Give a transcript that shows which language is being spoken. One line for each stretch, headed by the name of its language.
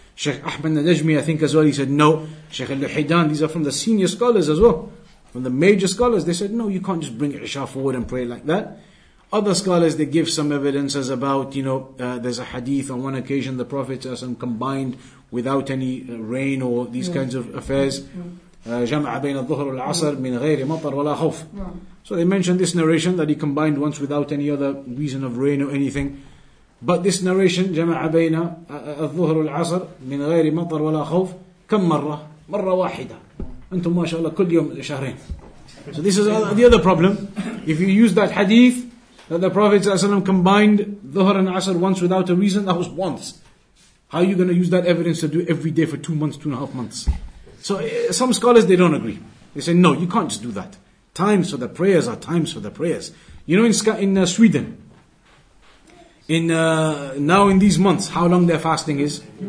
English: Sheikh Ahmed Najmi, I think as well, he said no. Sheikh Al-Hidan, these are from the senior scholars as well. From the major scholars, they said no, you can't just bring Isha forward and pray like that. Other scholars, they give some evidences about, there's a hadith on one occasion, the Prophet combined without any rain or these kinds of affairs.
Arabic: جمع بين الظهر والعصر من غير مطر ولا خوف.
English: So they mentioned this narration that he combined once without any other reason of rain or anything. But this narration
Arabic: جمع بين الظهر والعصر من غير مطر ولا خوف كم مرة؟ مرة واحدة. أنتم ما شاء الله كل يوم شهرين.
English: So this is the other problem. If you use that hadith that the Prophet ﷺ combined Dhuhr and Asr once without a reason, that was once. How are you going to use that evidence to do every day for 2 months, 2.5 months? So some scholars, they don't agree. They say, no, you can't just do that. Times for the prayers are times for the prayers. You know, in Sweden, now in these months, how long their fasting is?